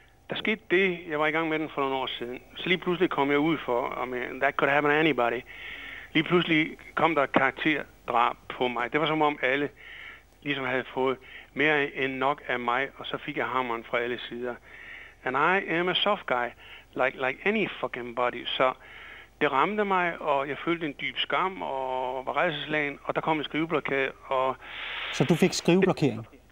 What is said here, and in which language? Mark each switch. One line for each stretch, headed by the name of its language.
Danish: Der skete det, jeg var i gang med den for nogle år siden. Så lige pludselig kom jeg ud for,
English: I mean, that could happen to anybody.
Danish: Lige pludselig kom der karakterdrab på mig. Det var som om alle ligesom havde fået mere end nok af mig, og så fik jeg hammeren fra alle sider.
English: And I am a soft guy, like any fucking body.
Danish: Så det ramte mig, og jeg følte en dyb skam, og var rejseslagen, og der kom en skriveblokade. Og så du fik skriveblokering?